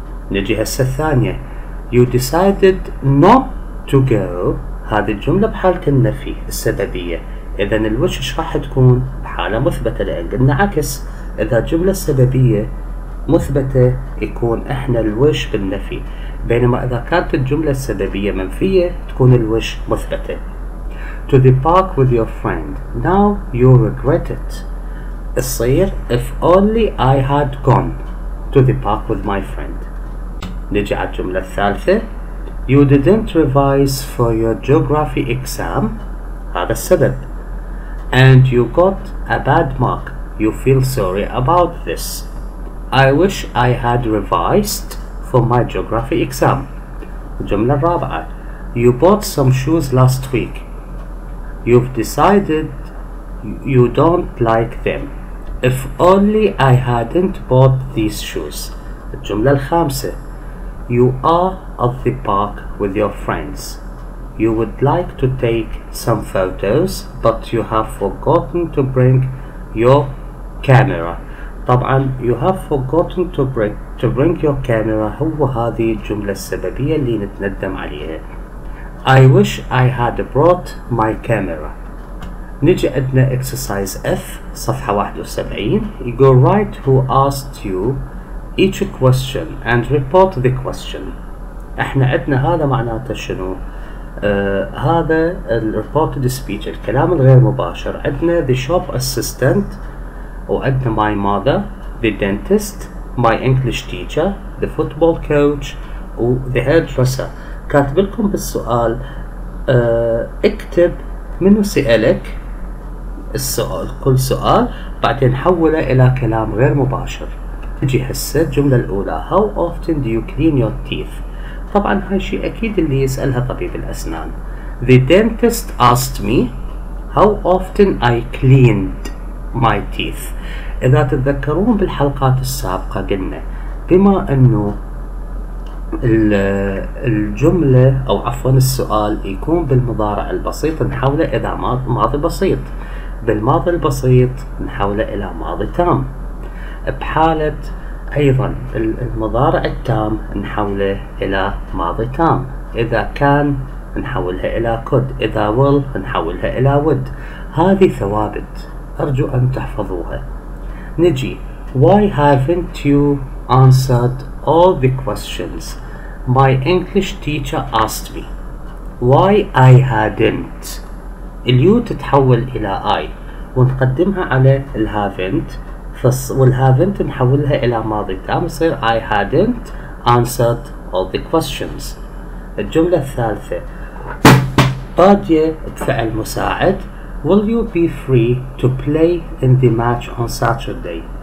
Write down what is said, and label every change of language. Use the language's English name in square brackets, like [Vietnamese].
[Arabic] نجي هسة الثانية [English] you decided not to go، [Arabic] هذه الجملة بحالة النفي السببية، اذا الوش ايش راح تكون بحالة مثبتة، لان قلنا عكس اذا جملة سببية مثبتة يكون احنا الوش بالنفي، بينما اذا كانت الجملة السببية منفية تكون الوش مثبتة. [English] to the park with your friend now you regret it. [Arabic] الصير [English] if only I had gone to the park with my friend. [Arabic] نجي على الجملة الثالثة [English] you didn't revise for your geography exam، [Arabic] هذا السبب، [English] and you got a bad mark، you feel sorry about this. I wish I had revised for my geography exam. [Arabic] الجملة الرابعة [English] you bought some shoes last week، you've decided you don't like them. If only I hadn't bought these shoes. [Arabic] الجملة الخامسة [English] you are at the park with your friends. You would like to take some photos but you have forgotten to bring your camera. طبعا you have forgotten to bring your camera. [Arabic] هو هذه الجملة السببية اللي نتندم عليها. [English] I wish I had brought my camera. [Arabic] نجي عندنا exercise F صفحة 71. [English] You go write who asked you each question and report the question. [Arabic] احنا عندنا هذا معناته شنو؟ هذا ال reported speech الكلام الغير مباشر. عندنا [English] the shop assistant [Arabic] وعندنا [English] my mother, the dentist, my English teacher, the football coach, the hairdresser. [Arabic] كاتب لكم بالسؤال اكتب منو سألك السؤال كل سؤال بعدين حوله إلى كلام غير مباشر. نجي هسه الجملة الأولى [English] How often do you clean your teeth؟ [Arabic] طبعا هاي شيء أكيد اللي يسألها طبيب الأسنان. [English] The dentist asked me How often I cleaned my teeth. [Arabic] إذا تتذكرون بالحلقات السابقة قلنا بما أنه الجملة أو عفوا السؤال يكون بالمضارع البسيط نحوله إلى ماضي بسيط، بالماضي البسيط نحوله إلى ماضي تام، بحالة أيضا المضارع التام نحوله إلى ماضي تام، إذا كان نحولها إلى could، إذا will نحولها إلى would. هذه ثوابت أرجو أن تحفظوها. نجي [English] Why haven't you answered all the questions my English teacher asked me? Why I hadn't. [Arabic] اليو تتحول إلى I ونقدمها على الهافنت والهافنت نحولها إلى ماضي تام يصير [English] I hadn't answered all the questions. [Arabic] الجملة الثالثة قادية بفعل مساعد [English] Will you be free to play in the match on Saturday?